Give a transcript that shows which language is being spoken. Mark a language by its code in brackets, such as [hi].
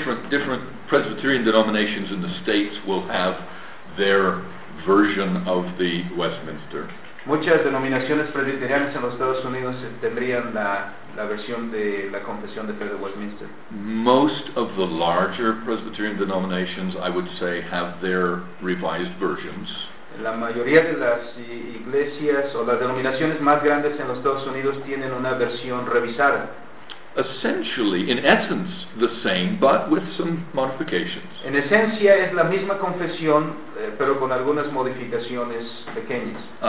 [en] different Presbyterian denominations in the States will have their version of the Westminster. [es] Muchas denominaciones presbiterianas en los Estados Unidos tendrían la versión de la Confesión de Fe de Westminster. [en] Most of the larger Presbyterian denominations, I would say, have their revised versions. [es] La mayoría de las iglesias o las denominaciones más grandes en los Estados Unidos tienen una versión revisada. [en] Essentially, in essence, the same, but with some modifications. [es] En esencia es la misma confesión, pero con algunas modificaciones pequeñas.